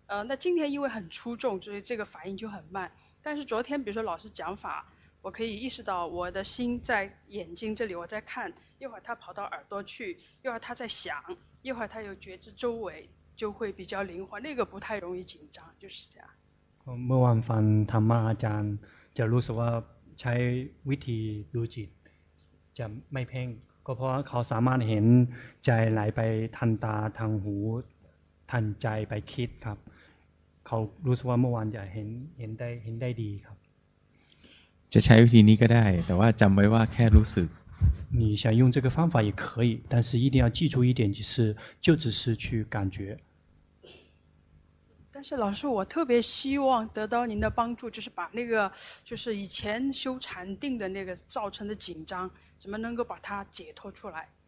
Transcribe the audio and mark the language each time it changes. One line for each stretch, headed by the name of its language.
Chinese: 那今天因为很出众，所以这个反应就很慢。但是昨天比如说老师讲法，我可以意识到我的心在眼睛这里，我在看，一会儿他跑到耳朵去，一会儿他在想，一会儿他有觉知周围，就会比较灵活，那个不太容易紧张，就是这样。
Thai: เมื่อวันฟังธรรมะอาจารย์จะรู้สึกว่าใช้วิธีดูจิตจะไม่เพ่งก็เพราะเขาสามารถเห็นใจไหลไปทางตาทางหูทางใจไปคิดครับเขารู้สึกว่าเมื่อวานจะเห็นได้ดีครับ จะใช้วิธีนี้ก็ได้แต่ว่าจำไว้ว่าแค่รู้สึก
Chinese: 你想用这个方法也可以，但是一定要记住一点，就只是去感觉。但是老师，我特别希望得到您的帮助，就是把那个就是以前修禅定的那个造成的紧张，怎么能够把它解脱出来？